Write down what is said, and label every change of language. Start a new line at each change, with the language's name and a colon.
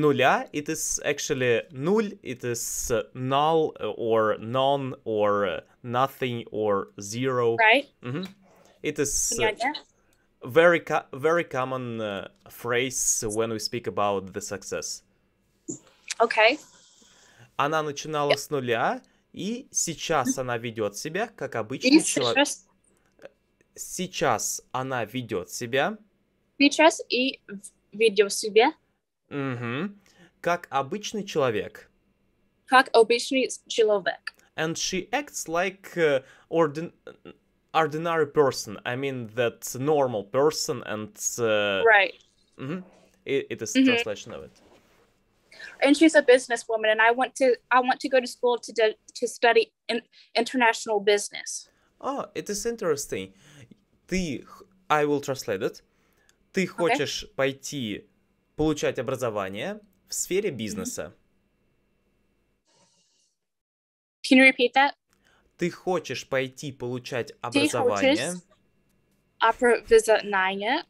Russian: нуля,
English: it is actually
Russian: нуль,
English: it is null, or non, or nothing, or zero. Right. Mm-hmm. It is very common phrase when we speak about the success. Okay.
Russian: Она начинала с нуля, и сейчас mm-hmm. она ведет себя, как обычный человек. Сейчас она ведет себя. Сейчас и ведет себя. Угу. Как обычный человек. Как обычный человек.
English: And she acts like ordinary person. I mean that normal person and... Right.
Russian: Угу.
English: It is mm-hmm. translation of it. And she's a businesswoman, and I want to go to school to study international business. Oh, it is interesting.
Russian: Ты,
English: I will translate it.
Russian: Ты
English: okay.
Russian: хочешь пойти получать образование в сфере бизнеса?
English: Can you repeat that?
Russian: Ты хочешь пойти получать образование? Образование.